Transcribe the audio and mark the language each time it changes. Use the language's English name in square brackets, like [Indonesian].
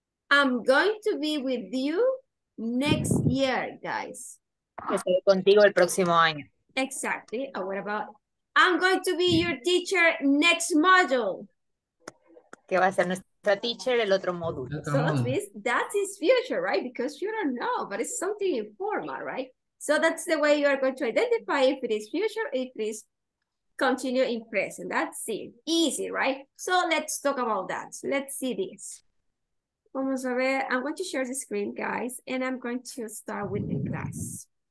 [English] I'm going to be with you next year, guys. [Spanish] Estoy contigo el próximo año. [English] Exactly. Oh, what about? I'm going to be your teacher next module. [Spanish] Que va a ser nuestra teacher el otro módulo. [English] So that is future, right? Because you don't know, but it's something informal, right? So that's the way you are going to identify if it is future, if it is continue in present. That's it. Easy, right? So let's talk about that. Let's see this. [Spanish] Vamos a ver. [English] I'm going to share the screen, guys, and I'm going to start with the class.